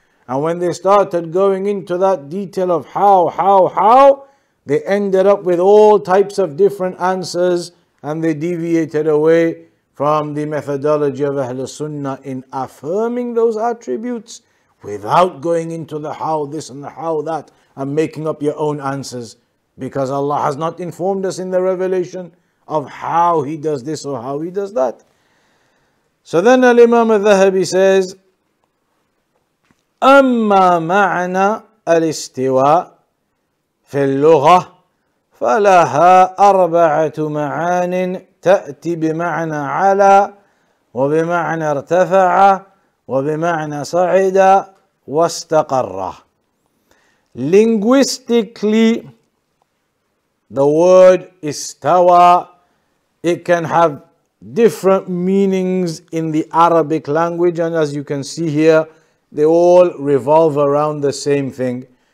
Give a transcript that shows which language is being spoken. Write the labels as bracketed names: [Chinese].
[English] And when they started going into that detail of how, they ended up with all types of different answers and they deviated away from the methodology of Ahl Sunnah in affirming those attributes without going into the how this and the how that and making up your own answers, because Allah has not informed us in the revelation of how He does this or how He does that. So then Al-Imam al-Dhahabi says, [Arabic] أَمَّا مَعْنَا الْإِسْتِوَى فِي اللُّغَةِ فَلَهَا أَرْبَعَةُ مَعَانٍ تَأْتِي بِمَعْنَى عَلَى وَبِمَعْنَى ارْتَفَعَ وَبِمَعْنَى صَعِدَ وَاسْتَقَرَّ. [English] Linguistically, the word istawa, it can have different meanings in the Arabic language, and as you can see here, they all revolve around the same thing.